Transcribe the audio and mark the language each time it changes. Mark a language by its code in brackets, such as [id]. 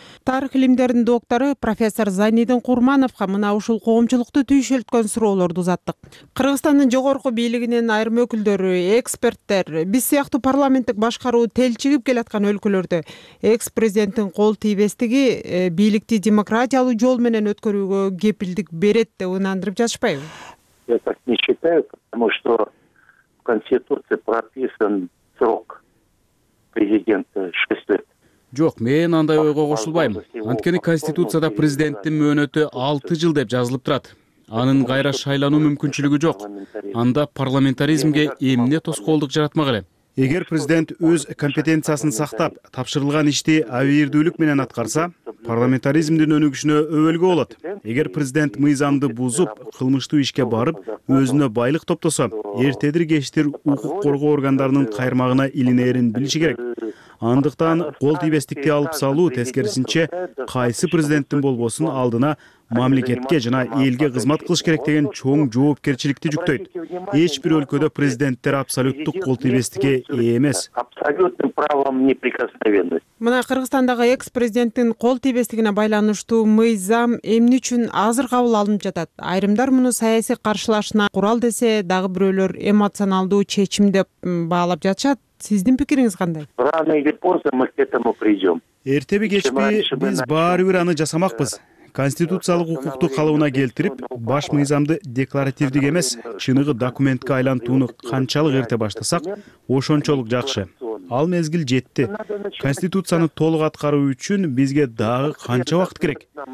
[ky] Тарых илимдеринин доктору профессор Зайнидин Курмановго мына ушул коомчулукту түйшөлткөн суроолорду узаттык. Кыргызстандын жогорку бийлигинин айрым өкүлдөрү, эксперттер, биз сыяктуу парламенттик башкаруу телчигип келаткан өлкөлөрдө экс-президенттин кол тийбестиги бийликти демократиялуу жол менен өткөрүүгө кепилдик берет деп ынандырып жатышпайбы? [ru] Я так не считаю, потому что в Конституции прописан срок президента 6 лет. [ky] Жок, мен андай ойго кошулбайм. Анткени Конституцияда президенттин мөөнөтү 6 жыл деп жазылып турат. Анын кайра шайлануу мүмкүнчүлүгү жок. Анда парламентаризмге эмне тоскоолдук жаратмак эле? Эгер президент өз компетенциясын сактап, тапшырылган ишти абийирдүүлүк менен аткарса, парламентаризмдин өнүгүшүнө өбөлгө болот. Эгер президент мыйзамды бузуп, кылмыштуу ишке барып, өзүнө байлык топтосо, эртедир кечтир укук коргоо органдарынын кайрмагына илинерин билиши керек. Андыктан кол тийбестикти алып салуу, тескерисинче, кайсы президенттин болбосун алдына мамлекетке жана элге кызмат кылыш керек деген чоң жоопкерчиликти жүктөйт. Эч бир өлкөдө президенттер абсолюттук кол тийбестикке ээ эмес. [ru] Абсолюттук правом неприкосновенности. [ky] Мына Кыргызстандагы экс-президенттин кол тийбестигине байланыштуу мыйзам эмне үчүн азыр кабыл алынып жатат? Айрымдар муну саясий каршылашына курал десе, дагы бирөөлөр эмоционалдуу чечим деп баалап жатышат. Сиздин пикириңиз кандай? [ru] Рано или поздно мы к этому придем. [ky] Эртеби кечпи биз баары бир аны жасамакпыз. Конституциялык укукту калыбына келтирип, баш мыйзамды декларативдик эмес, чыныгы документке айлантууну канчалык эрте баштасак, ошончолук жакшы. Ал мезгил жетти. Конституцияны толук аткаруу үчүн бизге дагы канча убакыт керек?